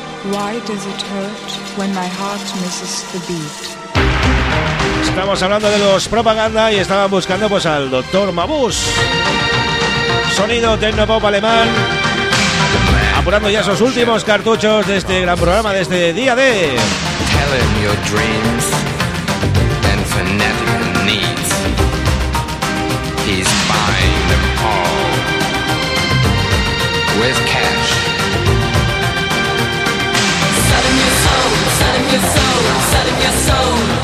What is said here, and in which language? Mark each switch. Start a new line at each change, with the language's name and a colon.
English: Why does it hurt when my heart misses the beat?
Spanish: Estamos hablando de los Propaganda y estaban buscando pues al Dr. Mabuse. Sonido tecnopop alemán, apurando ya esos últimos cartuchos de este gran programa, de este día de...
English: Tell him your dreams and fanatic needs. He's buying them all with cash. Selling your soul, selling your soul, selling your soul.